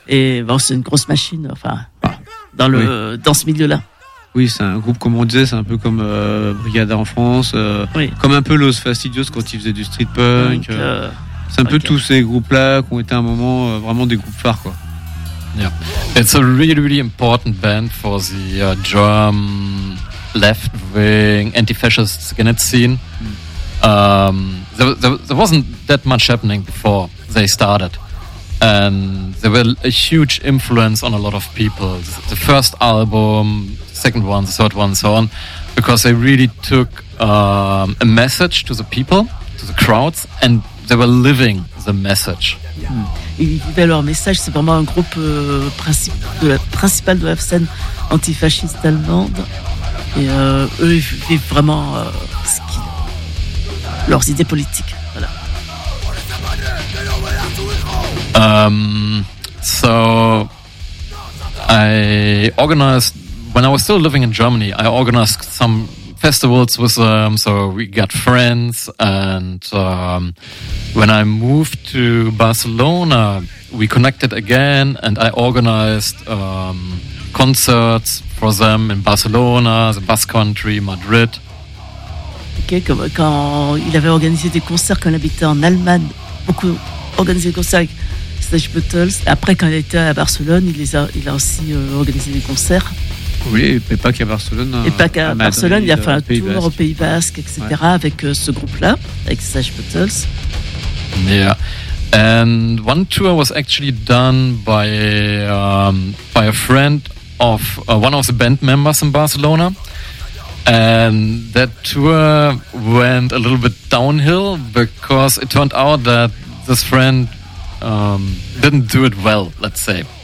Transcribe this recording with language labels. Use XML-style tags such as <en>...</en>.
<fr>Et bon, c'est une grosse machine, enfin, dans le dans ce milieu-là. Oui, c'est un groupe, comme on disait, c'est un peu comme Brigada en France, oui. Comme un peu Los Fastidios quand ils faisaient du street punk. Donc, c'est un peu tous ces groupes-là qui ont été un moment vraiment des groupes phares, quoi.</fr> <en>Yeah. It's a really, really important band for the German left-wing anti-fascist scene. There wasn't that much happening before they started. And they were a huge influence on a lot of people. The first album, second one, the third one, and so on, because they really took a message to the people, to the crowds, and they were living the message.</en> <fr>Ils vivaient leur message. C'est vraiment un groupe principal de la scène antifasciste allemande. Et eux, ils vivent vraiment leurs idées politiques. Voilà.</fr> <en>So I organized, when I was still living in Germany, I organized some festivals with them, so we got friends, and when I moved to Barcelona, we connected again, and I organized concerts for them in Barcelona, the Basque Country, Madrid.</en> <fr>Okay, quand il avait organisé des concerts quand il habitait en Allemagne, beaucoup organisé des concerts Sex Pistols. Après, quand il était à Barcelone, il a aussi organisé des concerts. Oui, mais pas qu'à Barcelone. Et pas qu'à Barcelone, il a fait un tour au Pays Basque, etc. Ouais. Avec ce groupe-là, avec Sex Pistols.</fr> <en>Yeah. And one tour was actually done by a friend of one of the band members in Barcelona. And that tour went a little bit downhill because it turned out that this friend didn't do it well, let's say.</en>